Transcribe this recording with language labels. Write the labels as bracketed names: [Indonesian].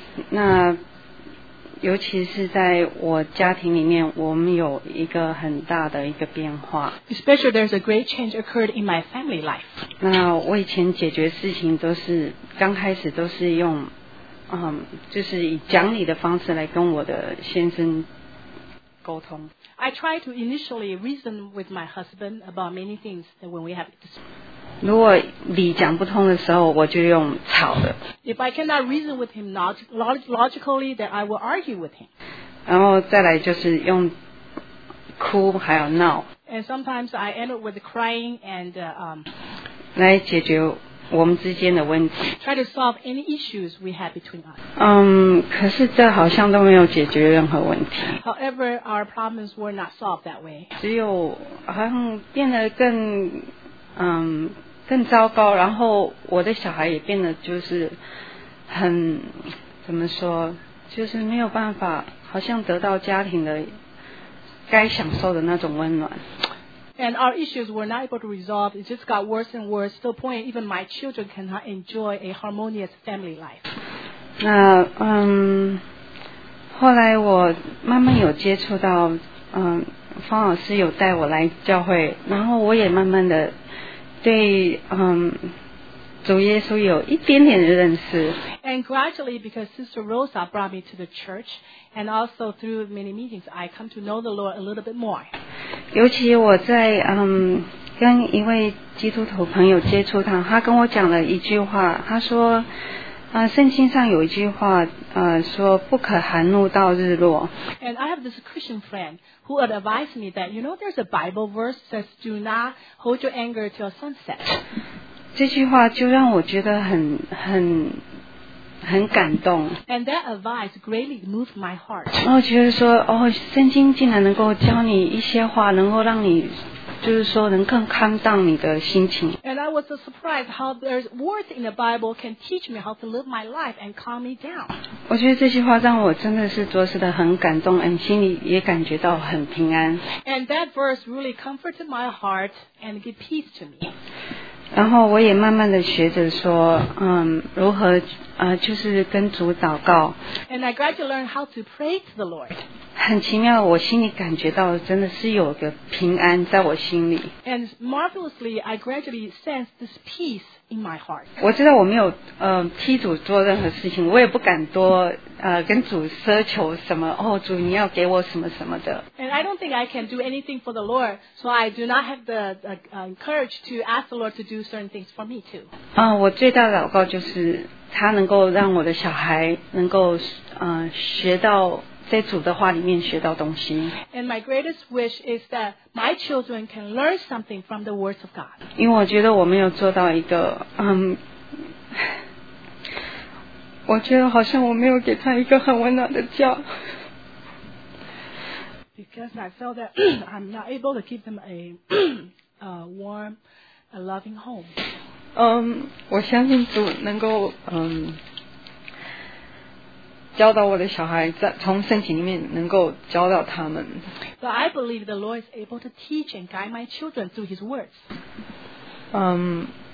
[Chinese] 那尤其是在我家庭里面，我们有一个很大的一个变化。 [English] Especially, there's a great change occurred in my family life. [Chinese] 那我以前解决事情都是刚开始都是用，就是以讲理的方式来跟我的先生沟通。 [English] I try to initially reason with my husband about many things that when we have. [Chinese] 如果理讲不通的时候，我就用吵的。 [English] If I cannot reason with him logically, then I will argue with him. [Chinese] 然后再来就是用哭还有闹。 [English] And sometimes I end up with crying and [Chinese] 来解决我们之间的问题。 [English] Try to solve any issues we have between us. [Chinese] 可是这好像都没有解决任何问题。 [English] However, our problems were not solved that way. [Chinese] 只有好像变得更更糟糕，然后我的小孩也变得就是很怎么说，就是没有办法，好像得到家庭的该享受的那种温暖。 [English] And our issues were not able to resolve. It just got worse and worse to the point even my children cannot enjoy a harmonious family life. [Chinese] 那后来我慢慢有接触到方老师有带我来教会，然后我也慢慢的对主耶稣有一点点的认识。 [English] And gradually, because Sister Rosa brought me to the church, and also through many meetings, I come to know the Lord a little bit more. [Chinese] 尤其我在跟一位基督徒朋友接触他，他跟我讲了一句话，他说，圣经上有一句话，说不可含怒到日落。 [English] And I have this Christian friend who advised me that, you know, there's a Bible verse that says, "Do not hold your anger till sunset." [Chinese] 这句话就让我觉得很感动。 [English] And that advice greatly moved my heart. [Chinese] 然后觉得说，哦，圣经竟然能够教你一些话，能够让你。就是说能更 [English] calm down [Chinese] 你的心情。 [English] And I was surprised how there's words in the Bible can teach me how to live my life and calm me down. [Chinese] 我觉得这句话让我真的是着实的很感动，and 心里也感觉到很平安。 [English] And that verse really comforted my heart and gave peace to me. [Chinese] 然后我也慢慢的学着说，如何就是跟主祷告。 [English] And I gradually learned how to pray to the Lord. [Chinese] 很奇妙，我心里感觉到真的是有个平安在我心里。 [English] And marvelously, I gradually sense this peace in my heart. [Chinese] 我知道我没有替主做任何事情，我也不敢多跟主奢求什么。哦，主你要给我什么什么的。 [English] And I don't think I can do anything for the Lord, so I do not have the courage to ask the Lord to do certain things for me too. [Chinese] 我最大的祷告就是他能够让我的小孩能够学到。在主的话里面学到东西。 [English] And my greatest wish is that my children can learn something from the words of God. [Chinese] 因为我觉得我没有做到一个，我觉得好像我没有给他一个很温暖的家。 [English] Because I felt that I'm not able to give them a warm, a loving home. [Chinese] 我相信主能够，教导我的小孩在从圣经里面能够教导他们。 [English] But I believe the Lord is able to teach and guide my children through His words.